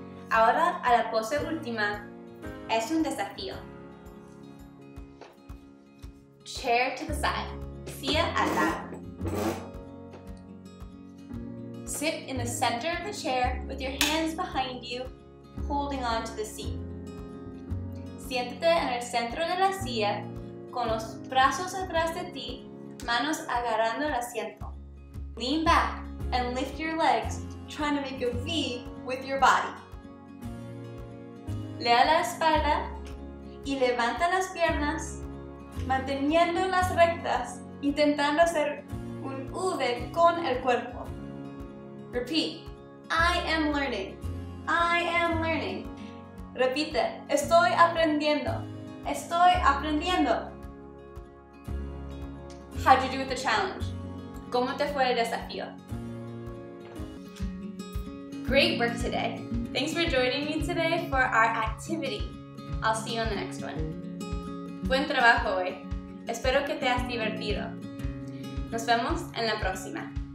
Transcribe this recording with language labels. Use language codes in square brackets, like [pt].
[es] Ahora a la pose última. Es un desafío. [en] Chair to the side. [es] Silla al lado. [en] Sit in the center of the chair with your hands behind you, holding on to the seat. [es] Siéntate en el centro de la silla, con los brazos atrás de ti, manos agarrando el asiento. [en] Lean back and lift your legs, trying to make a V with your body. [es] Lea la espalda y levanta las piernas, manteniéndolas rectas, intentando hacer un V con el cuerpo. [en] Repeat. I am learning. I am learning. [es] Repite. Estoy aprendiendo. Estoy aprendiendo. [en] How'd you do with the challenge? [es] ¿Cómo te fue el desafío? [en] Great work today. Thanks for joining me today for our activity. I'll see you on the next one. [es] Buen trabajo hoy. Espero que te hayas divertido. Nos vemos en la próxima.